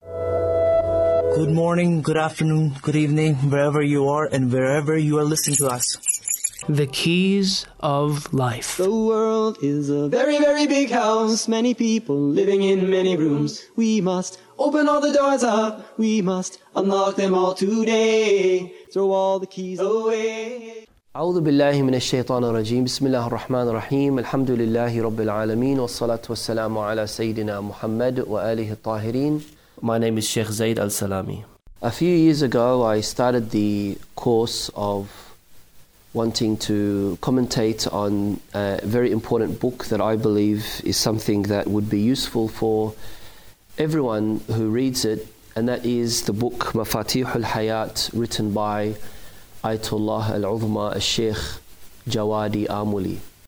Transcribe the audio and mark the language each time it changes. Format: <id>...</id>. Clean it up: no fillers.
<en>Good morning, good afternoon, good evening, wherever you are and wherever you are listening to us. The keys of life. The world is a very, very big house. Many people living in many rooms. We must open all the doors up. We must unlock them all today. Throw all the keys away.</en> <ar>أعوذ بالله من الشيطان الرجيم بسم الله الرحمن الرحيم الحمد لله رب العالمين والصلاة والسلام على سيدنا محمد وآله الطاهرين.</ar> <en>My name is Sheikh Zaid Al Salami. A few years ago, I started the course of wanting to commentate on a very important book that I believe is something that would be useful for everyone who reads it, and that is the book Mafatih Al Hayat, written by Ayatollah Al-Uzma Al-Sheikh Jawadi Amuli.</en>